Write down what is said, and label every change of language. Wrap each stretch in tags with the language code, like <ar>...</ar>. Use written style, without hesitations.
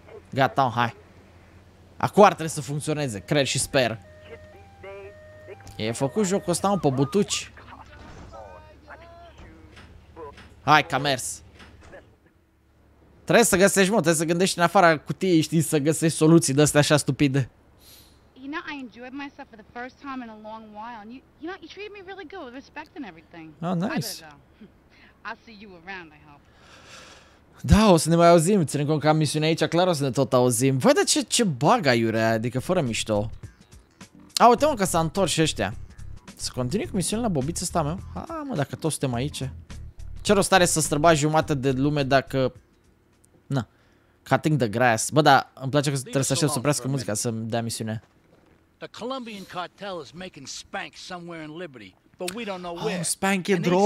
<ro>Gata, hai. Acum ar trebui să funcționeze, cred și sper. E făcut jocul ăsta, mă, pe butuci. Hai că a mers. Trebuie să găsești, mă, trebuie să gândești în afara cutiei, știi, să găsești soluții de astea așa stupide.</ro> <en>You know, I enjoyed myself for the first time in a long while. And you know, you treated me really good with respect and everything. Oh, nice. I'll see you around, I hope.</en> <ro>Da, o să ne mai auzim, ținem cont că am misiune aici, clar o să ne tot auzim. Văd de ce bug aiurea, adică fără mișto. A, uite mă că s-a întors și ăștia. Să continui cu misiunea la bobița asta, mă. A, mă, dacă toți suntem aici. Ce rost are să străbați jumate de lume dacă... Na,</ro> <en>cutting the grass.</en> <ro>Bă, da, îmi place că trebuie să aștept să oprească muzica să-mi dea misiune.</ro> <en>The Colombian cartel is making spank somewhere in Liberty. But we don't know where. Oh, Spank</en> <ro>e drogul.</ro>